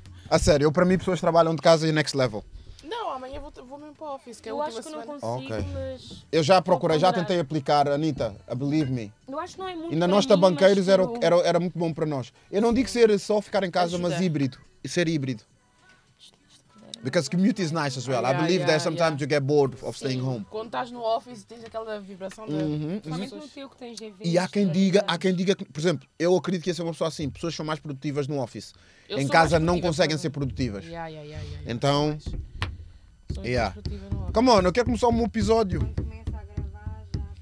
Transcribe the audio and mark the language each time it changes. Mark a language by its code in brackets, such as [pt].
[pt] A sério, eu para mim pessoas trabalham de casa e [en] next level. [pt] Não, amanhã vou mesmo para o office, que é o último. Eu acho que eu não consigo, okay. Mas. Eu já procurei, já tentei aplicar, Anita, [en] believe me. [pt] Eu acho que não é muito. Ainda nós tabanqueiros era muito bom para nós. Eu não digo ser só ficar em casa, ajuda. Mas híbrido. E ser híbrido. [en] Because commute is nice as well. I believe that sometimes you get bored of staying home. [pt] Quando estás no office tens aquela vibração de... E há quem diga que, por exemplo, eu acredito que ia ser uma pessoa assim. Pessoas são mais produtivas no office. Eu em casa não conseguem ser produtivas. [en] Yeah. [pt] Então, sou mais produtiva no office. [en] Come on, [pt] eu quero começar o meu episódio. Gravar, já.